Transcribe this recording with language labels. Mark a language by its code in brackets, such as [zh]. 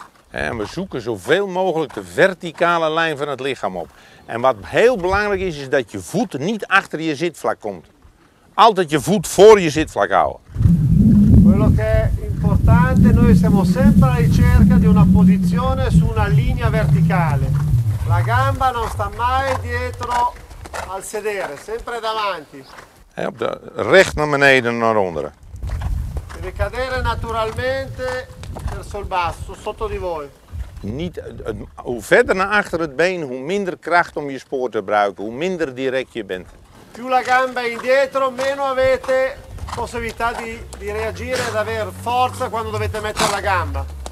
[nl] En we zoeken zoveel mogelijk de verticale lijn van het lichaam op. En wat heel belangrijk is, is dat je voet niet achter je zitvlak komt. Altijd je voet voor je zitvlak houden. [it] Quello che è importante. praticamente noi siamo sempre alla ricerca di una posizione su una linea verticale. La gamba non sta mai dietro al sedere, sempre davanti. [nl] E op de recht naar beneden naar onderen. [it] Deve cadere naturalmente verso il basso, sotto di voi. [nl] Niet, hoe verder naar achter het been, hoe minder kracht om je spoor te gebruiken, hoe minder direct je bent. [it] Più la gamba è indietro, meno avete possibilità di reagire ed avere forza quando dovete mettere la gamba.